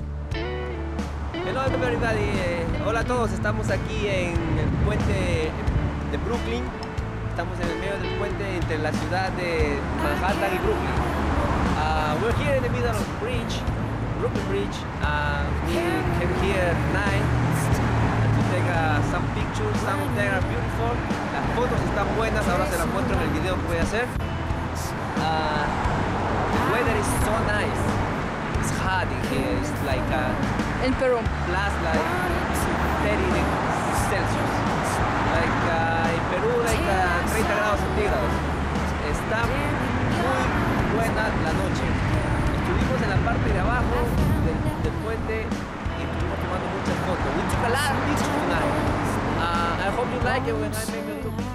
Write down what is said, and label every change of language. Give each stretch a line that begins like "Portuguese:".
English: Hello everybody,
Spanish: hola a todos, estamos aquí en el puente de Brooklyn. Estamos en el medio del puente entre la ciudad de Manhattan y Brooklyn.
English: We're here in the middle of the bridge, Brooklyn Bridge. We came here tonight to take some pictures. Some of them are beautiful.
Spanish: Las fotos están buenas, ahora se las muestro en el video que voy a hacer.
English: The weather is so nice. It's hot in here, it's like a... In Peru. Plus like 30 degrees Celsius. Like in Peru, like 30
Spanish: grados centígrados. Está muy buena la noche. Estuvimos en la parte de abajo del puente y estuvimos tomando muchas fotos.
English: We took a lot of pictures tonight. I hope you like it when I make it to